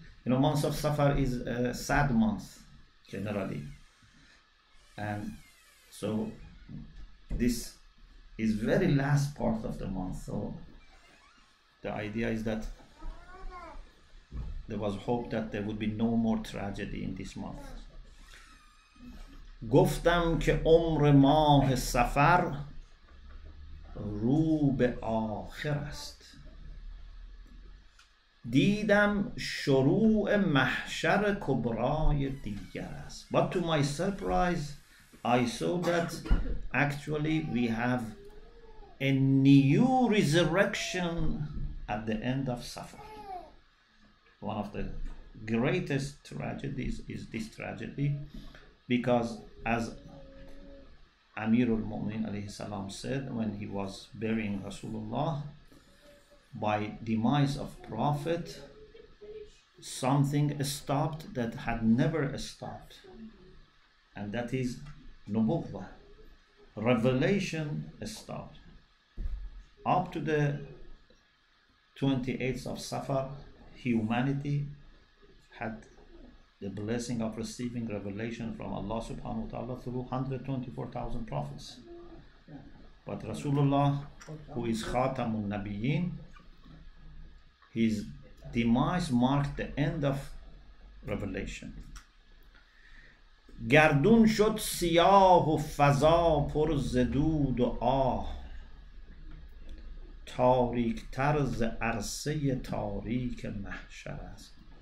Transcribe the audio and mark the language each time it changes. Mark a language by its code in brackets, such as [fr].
[en] You know, months of Safar is a sad month generally, and so this is very last part of the month. So the idea is that there was hope that there would be no more tragedy in this month. [fa] گفتم که عمر ماه سفر رو به آخر است، دیدم شروع محشر کبرای دیگر است. [en] But to my surprise, I saw that actually we have a new resurrection at the end of Safar. One of the greatest tragedies is this tragedy, because as Amirul Mu'minin alayhi salam said when he was burying Rasulullah, by demise of Prophet, something stopped that had never stopped, and that is Nubuwwah. Revelation stopped. Up to the 28th of Safar, humanity had the blessing of receiving revelation from Allah subhanahu wa ta'ala through 124,000 prophets. But Rasulullah, who is Khatamun Nabiyyin, his demise marked the end of revelation. [fa] گردون شد سیاه و فضا پر ز دود و آه، تاریک تر ز عرصه تاریک محشر است.